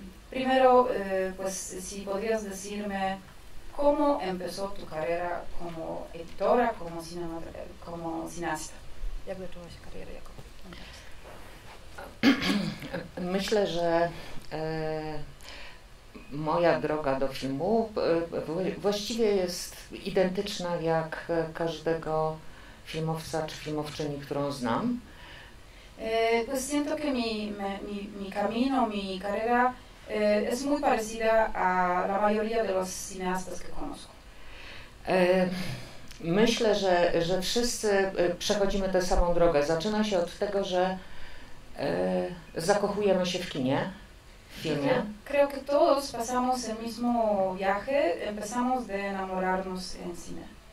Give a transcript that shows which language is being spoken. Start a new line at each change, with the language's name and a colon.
Spanish: Primero, pues si podrías decirme, ¿cómo empezó tu carrera como editora, como cineasta?
Polish: Jak zaczęła się kariera jako
Spanish: cineasta?
Polish: Myślę, że moja droga do filmu właściwie jest identyczna jak każdego filmowca czy filmowczyni, którą znam.
Spanish: Pues siento que mi camino, mi carrera es muy parecida a la mayoría de los cineastas que conozco.
Polish: Myślę, że wszyscy przechodzimy tę samą drogę. Zaczyna się od tego, że zakochujemy się w kinie, w filmie.
Spanish: Creo que todos pasamos el mismo viaje, empezamos de enamorarnos en cine.